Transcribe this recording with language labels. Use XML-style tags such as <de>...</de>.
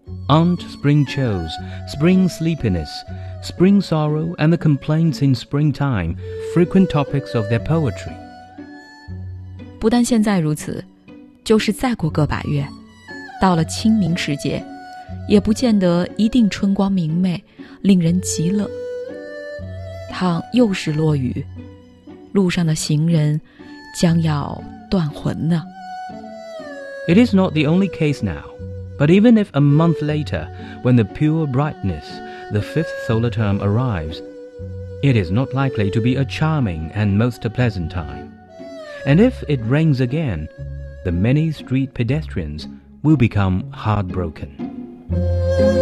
<en>Aren't spring chills, spring sleepiness, spring sorrow and the complaints in springtime frequent topics of their poetry?</en> <zh>不但现在如此，就是再过个把月，到了清明时节，也不见得一定春光明媚，令人极乐。倘又是落雨，路上的行人将要断魂呢。</zh> <en>It is not the only case now, but even if a month later, when the pure brightness, the fifth solar term arrives, it is not likely to be a charming and most pleasant time. And if it rains again, the many street pedestrians will become heartbroken.</en>